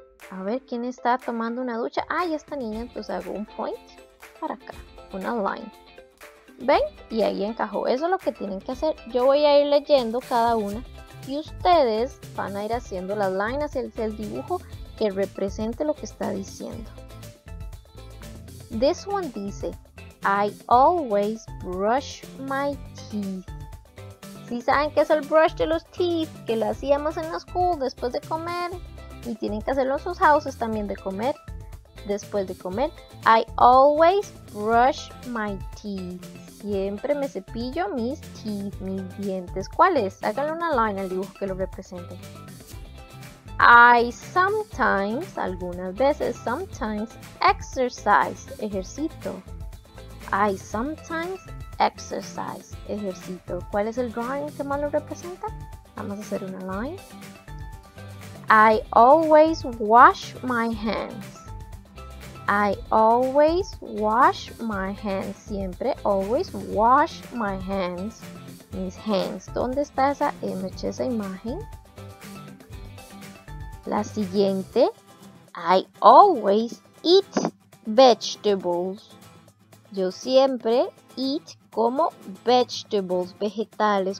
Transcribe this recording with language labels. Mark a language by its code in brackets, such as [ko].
[es] A ver, ¿quién está tomando una ducha? Ay, esta niña, entonces hago un point para acá, una line. ¿Ven? Y ahí encajó. Eso es lo que tienen que hacer. Yo voy a ir leyendo cada una y ustedes van a ir haciendo las lines y el dibujo que represente lo que está diciendo. [en] This one dice, I always brush my teeth. [es] ¿Sí saben qué es el brush de los teeth? Que lo hacíamos en la school después de comer. Y tienen que hacerlo en sus houses también de comer. Después de comer. [en] I always brush my teeth. [es] Siempre me cepillo mis teeth, mis dientes. ¿Cuál es? Háganle una line al dibujo que lo represente. [en] I sometimes, algunas veces, sometimes exercise, ejercito. I sometimes exercise, ejercito. [es] ¿Cuál es el drawing que más lo representa? [en] Vamos a hacer una line. I always wash my hands. I always wash my hands. Siempre always wash my hands. Mis hands. [es] ¿Dónde está esa image, esa imagen? [en] La siguiente, I always eat vegetables. [es] Yo siempre eat como vegetables, vegetales.